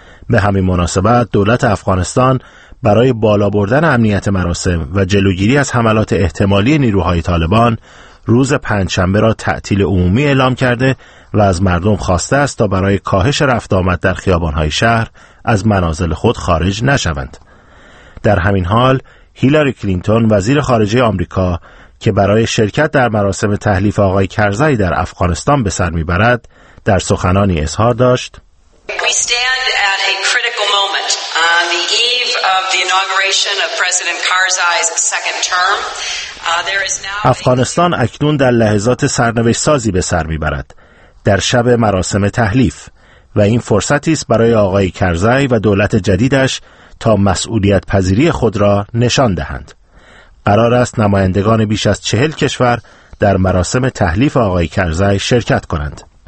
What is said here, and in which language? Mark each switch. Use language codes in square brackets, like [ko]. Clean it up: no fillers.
[fa] به همین مناسبت دولت افغانستان برای بالا بردن امنیت مراسم و جلوگیری از حملات احتمالی نیروهای طالبان روز پنجشنبه را تعطیل عمومی اعلام کرده و از مردم خواسته است تا برای کاهش رفت آمد در خیابانهای شهر از منازل خود خارج نشوند. در همین حال هیلاری کلینتون وزیر خارجه آمریکا که برای شرکت در مراسم تحلیف آقای کرزی در افغانستان به سر می‌برد، در سخنانی اظهار داشت: [en] We stand at a critical moment on the eve of the inauguration of President Karzai's second term. [fa] افغانستان اکنون در لحظات سرنوشت‌سازی به سر می‌برد، در شب مراسم تحلیف، و این فرصتی است برای آقای کرزی و دولت جدیدش تا مسئولیت پذیری خود را نشان دهند. قرار است نمایندگان بیش از 40 کشور در مراسم تحلیف آقای کرزی شرکت کنند.